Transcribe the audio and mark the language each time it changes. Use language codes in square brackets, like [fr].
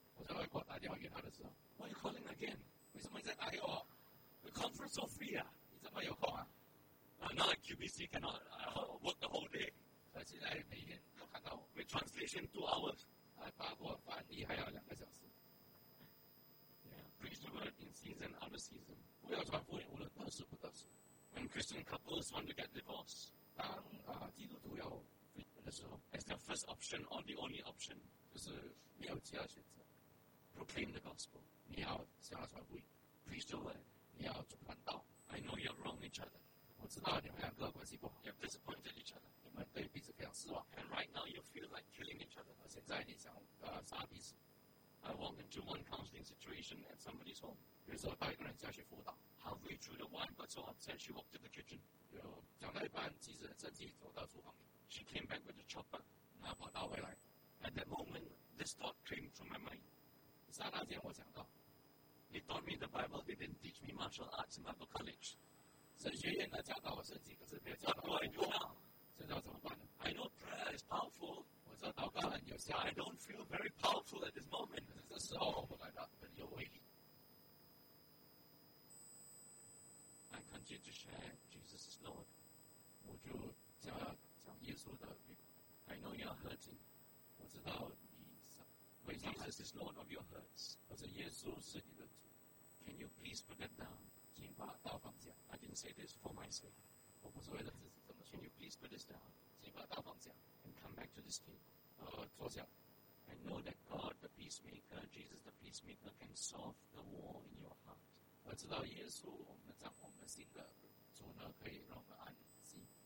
[zh] 我在外国打电话给她的时候。 [en] Why are you calling again? [zh] 为什么你在打给我 [en] ？The conference so free 啊？ [zh] 你怎么有空啊 [en] ？Now QBC cannot work the whole day. [zh] 所以现在每天都看到我。 [en] With translation 2 hours. [zh] 还包括翻译还要2个小时。 [en] Preach the word in season, out of season. [zh] 不要传福音，无论得时不得时。 [en] When Christian couples want to get divorced, [zh] 当基督徒要离婚的时候 [en] ，as their first option or the only option, [zh] 就是没有其他选择。 [en] Proclaim the gospel. [zh] 你要向他传福音。 [en] Preach the word. [zh] 你要传道。 [en] I know you're wrong each other. [zh] 我知道你们两个关系不好。 [en] You've disappointed each other. [zh] 你们对彼此非常失望。 [en] And right now you feel like killing each other. [zh] 现在你想杀彼此。 [en] I walked into one counseling situation at somebody's home. [zh] 比如说带一个人下去辅导。 [en] Halfway through, the wife got so upset she walked to the kitchen. [zh] 有讲到一半，妻子很生气，走到厨房里。 [en] She came back with a chopper. [zh] 她跑到回来。 [en] At that moment, this thought came from my mind. [zh] 刹那间我想到。 [en] They taught me the Bible, they didn't teach me martial arts in Bible college. [zh] 神学院呢教导我圣经，可是没有教导我武道。现在我怎么办呢 [en] ？I know prayer is powerful. [zh] 我知道祷告很有效。 [en] I don't feel very powerful at this moment. [zh] 可是这时候我感到很有威力。 [en] I continue to share Jesus is Lord. [zh] 我就想要讲耶稣的名。 [en] I know you are hurting. [zh] 我知道你伤。 [en] But Jesus is Lord of your hurts. [zh] 可是耶稣是你的主。 [en] Can you please put that down? [zh] 请把刀放下。 [en] I didn't say this for my sake. [zh] 我不是为了自己这么说。 [en] Can you please put this down? [zh] 请把刀放下。 [en] Come back to this table. [zh] 坐下。 [en] I know that God, the peacemaker, Jesus, the peacemaker, can solve the war in your heart. [zh] 我知道耶稣，我们掌握我们心的主呢，可以让我们安息。